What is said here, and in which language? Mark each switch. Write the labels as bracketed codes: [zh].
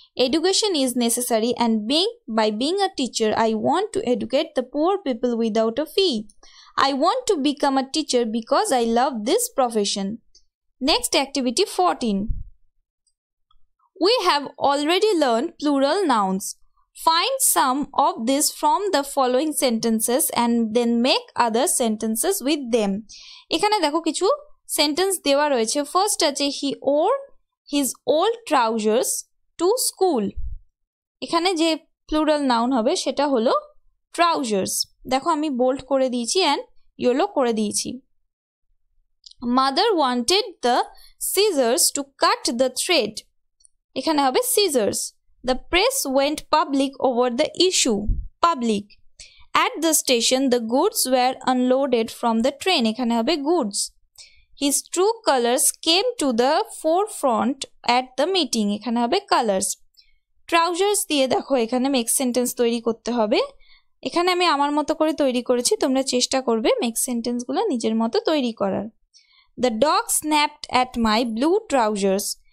[en] Education is necessary and by being a teacher I want to educate the poor people without a fee. I want to become a teacher because I love this profession. Next activity 14। We have already learn plural nouns. Find some of this from the following sentences and then make other sentences with them. [bn] এখানে দেখো কিছু sentence দেওয়া রয়েছে। [en] First আছে he wore his old trousers to school. [bn] এখানে যে plural noun হবে সেটা হলো trousers। দেখো আমি bold করে দিয়েছি and yellow করে দিয়েছি। [en] Mother wanted the scissors to cut the thread. [bn] এখানে হবে scissors. [en] The press went public over the issue. Public. At the station, the goods were unloaded from the train. [bn] এখানে হবে goods. [en] His true colors came to the forefront at the meeting. [bn] এখানে হবে colors. Trousers দিয়ে দেখো এখানে make sentence তৈরি করতে হবে। এখানে আমি আমার মতো করে তৈরি করেছি, তোমরা চেষ্টা করবে make sentence গুলো নিজের মতো তৈরি করার। [en] The dog snapped at my blue trousers.